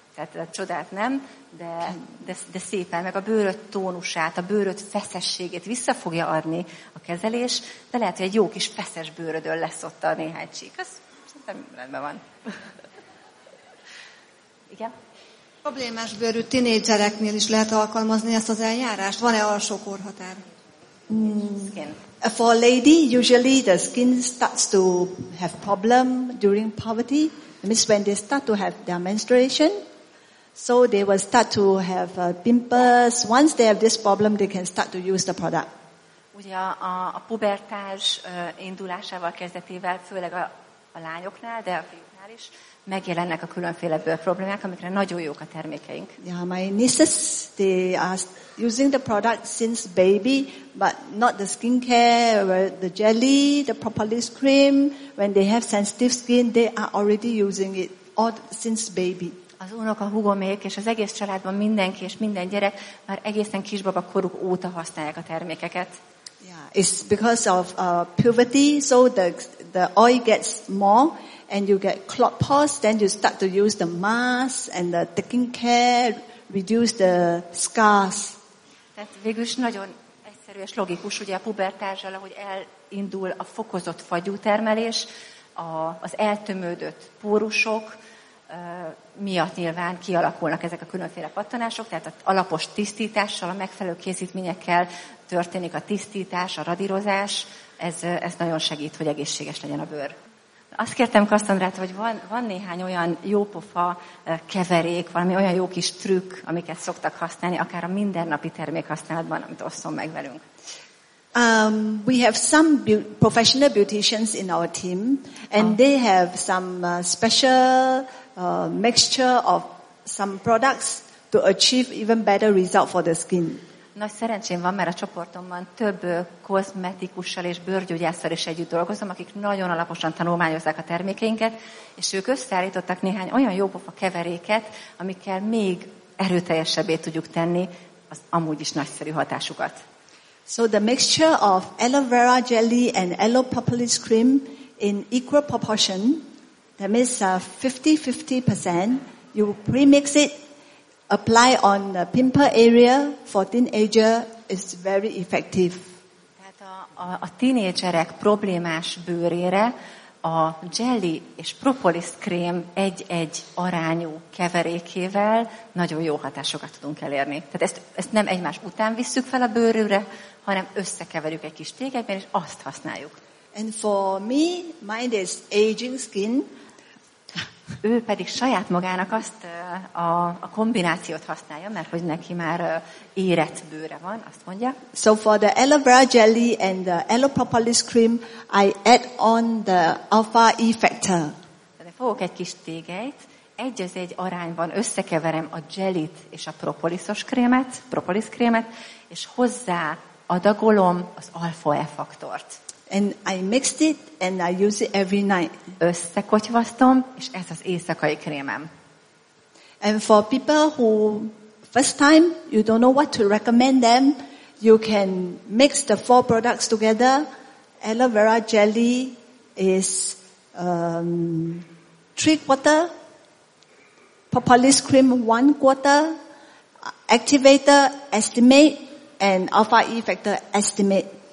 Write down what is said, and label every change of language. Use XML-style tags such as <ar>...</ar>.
<hu>Tehát a csodát nem, de szépen meg a bőröd tónusát, a bőröd feszességét vissza fogja adni a kezelés, de lehet, hogy egy jó kis feszes bőrödön lesz ott a néhány csík. Az szerintem rendben van. Igen? Problémás bőrű tinédzsereknél is lehet alkalmazni ezt az eljárást? Van-e alsó korhatár?</hu> <en>Skin. For a lady, usually the skin starts to have problem during puberty. That means when they start to have their menstruation. So they will start to have pimples. Once they have this problem, they can start to use the product.</en> <hu>Ugye a pubertás indulásával, kezdetével, főleg a lányoknál, de a fiúknál is, megjelennek a különféle bőr problémák, amikre nagyon jók a termékeink.</hu> <en>Yeah, my nieces, they are using the product since baby, but not the skincare, the jelly, the propolis cream. When they have sensitive skin, they are already using it all since baby.</en> <hu>Az unoka, húgomék és az egész családban mindenki és minden gyerek már egészen kisbaba koruk óta használják a termékeket.</hu> <en>Yeah, it's because of puberty, so the oil gets more and you get clot pores, then you start to use the mask and the taking care, reduce the scars.</en> <hu>Tehát végül is nagyon egyszerű és logikus, ugye a pubertással, ahogy elindul a fokozott fagyútermelés, az eltömődött pórusok miatt nyilván kialakulnak ezek a különféle pattanások, tehát az alapos tisztítással, a megfelelő készítményekkel történik a tisztítás, a radírozás, ez nagyon segít, hogy egészséges legyen a bőr. Azt kértem Kasszandrát, hogy van néhány olyan jópofa keverék, valami olyan jó kis trükk, amiket szoktak használni, akár a mindennapi termékhasználatban, amit osszon meg velünk.</hu> <en>We have some professional beauticians in our team, and they have some special mixture of some products to achieve even better result for the skin.</en> <hu>Nagy szerencsém van, mert a csoportomban több kozmetikussal és bőrgyógyásszal is együtt dolgozom, akik nagyon alaposan tanulmányozzák a termékeinket, és ők összeállítottak néhány olyan jópofa keveréket, amikkel még erőteljesebbé tudjuk tenni az amúgy is nagyszerű hatásukat.</hu> <en>So the mixture of aloe vera jelly and aloe propolis cream in equal proportion, that means 50-50%, you premix it, apply on the pimple area for teenager is very effective.</en> <hu>Tehát a tínédzserek problémás bőrére a jelly és propolis krém egy-egy arányú keverékével nagyon jó hatásokat tudunk elérni. Tehát ezt nem egymás után visszük fel a bőrőre, hanem összekeverjük egy kis tégelyben, és azt használjuk.</hu> <en>And for me, mine is aging skin.</en> <hu>Ő pedig saját magának azt a kombinációt használja, mert hogy neki már érett bőre van, azt mondja.</hu> <en>So for the aloe vera jelly and the aloe propolis cream, I add on the alpha E factor.</en> <hu>De fogok egy kis tégelyt, egy az egy arányban összekeverem a jellyt és a propoliszos krémet, propolis krémet, és hozzá adagolom az alpha E faktort.</hu> <en>And I mixed it and I use it every night.</en> <hu>Összekotyvasztom, és ez az éjszakai krémem.</hu> <en>And for people who first time you don't know what to recommend them, you can mix the four products together. Aloe vera jelly is 3/4, propolis cream 1/4, activator estimate and alpha E factor estimate.</en>